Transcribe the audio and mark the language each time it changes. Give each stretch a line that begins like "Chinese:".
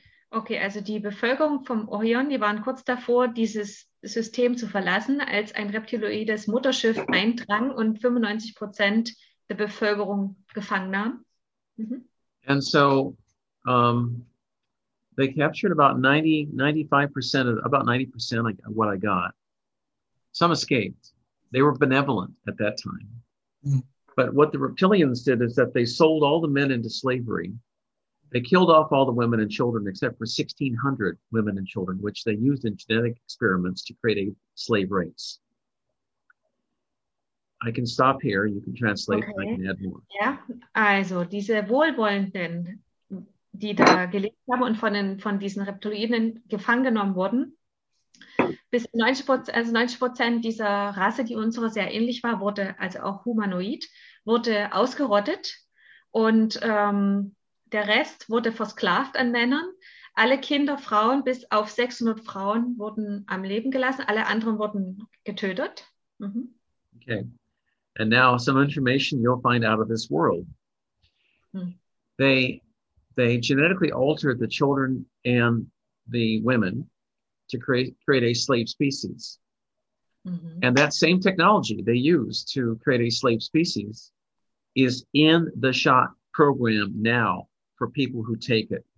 German: Okay, also die Bevölkerung vom Orion, die waren kurz davor, dieses System zu verlassen, als ein reptiloides Mutterschiff eindrang und 95% der Bevölkerung gefangen nahm. Mhm.
English: And so they captured about 90% of what I got. Some escaped. They were benevolent at that time. But what the reptilians did is that they sold all the men into slavery. They killed off all the women and children except for 1,600 women and children, which they used in genetic experiments to create a slave race. I can stop here. You can translate. Okay. I can add more. Yeah.
German: Also, diese Wohlwollenden, die da gelebt haben und von diesen Reptiloiden gefangen genommen wurden, bis 90% dieser Rasse, die unserer sehr ähnlich war, wurde, also auch humanoid, wurde ausgerottet und der Rest wurde versklavt an Männern. Alle Kinder, Frauen, bis auf 600 Frauen wurden am Leben gelassen. Alle anderen wurden getötet. Mhm. Okay.
English: And now some information you'll find out of this world. They genetically altered the children and the women to create a slave species. Mm-hmm. And that same technology they use to create a slave species is in the SHOT program now for people who take it.